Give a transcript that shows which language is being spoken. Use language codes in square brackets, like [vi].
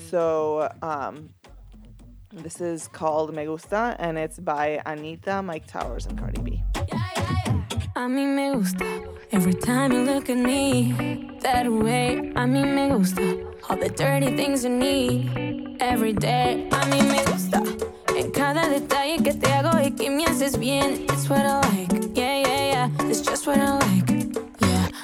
[en] So this is called Me Gusta, and it's by Anita, Mike Towers, and Cardi B. [es] A mí me gusta, [en] every time you look at me, that way. [es] A mí me gusta, [en] all the dirty things you need, every day. [es] A mí me gusta, en cada detalle que te hago y que me haces bien. [en] It's what I like, yeah, yeah, yeah, it's just what I like, yeah.